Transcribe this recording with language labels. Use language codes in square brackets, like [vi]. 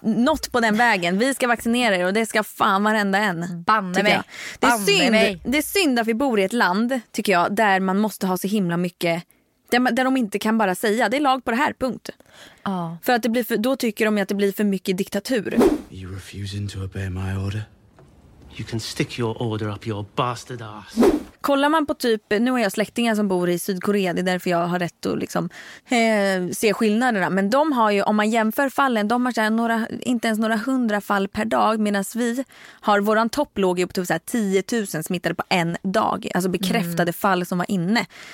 [sv] något på den vägen. Vi ska vaccinera er och det ska fan varenda en. Banne mig. Det är synd. Det är synd att vi bor i ett land, tycker jag, där man måste ha så himla mycket, där de inte kan bara säga det är lag på det här, punkt. För att det blir då tycker de att det blir för mycket diktatur. [en] You refusing to obey my order? You can stick your order up your bastard ass. [sv] kollar man på typ, nu har jag släktingar som bor i Sydkorea, det är därför jag har rätt att liksom, se skillnaderna. Men de har ju, om man jämför fallen, de har så här några, inte ens några hundra fall per dag, medan vi har, våran topp låg ju på typ så här 10 000 smittade på en dag, alltså bekräftade fall som var inne.